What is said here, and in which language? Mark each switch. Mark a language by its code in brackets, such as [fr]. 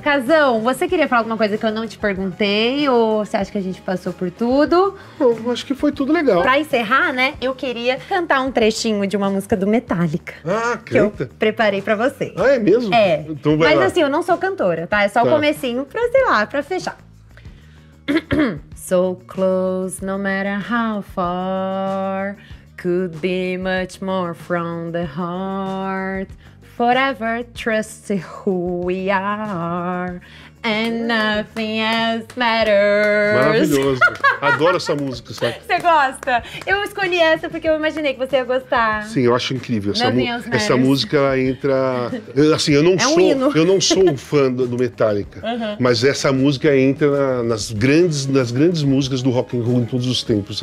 [pt] Casão, você queria falar alguma coisa que eu não te perguntei? Ou você acha que a gente passou por tudo? Eu acho que foi tudo legal. Pra encerrar, né, eu queria cantar um trechinho de uma música do Metallica. Ah, canta. Que eu preparei pra você. Ah, é mesmo? É. Então vai. Mas lá. Assim, eu não sou cantora, tá? É só o comecinho pra, sei lá, pra fechar. [en] So close, no matter how far, could be much more from the heart, forever trust who we are, and nothing else matters. [pt] Maravilhoso. Adoro essa música, sabe? Você gosta? Eu escolhi essa porque eu imaginei que você ia gostar. Sim, eu acho incrível. Essa música entra... Assim, eu não sou um fã do Metallica, mas essa música entra nas grandes músicas do rock and roll em todos os tempos.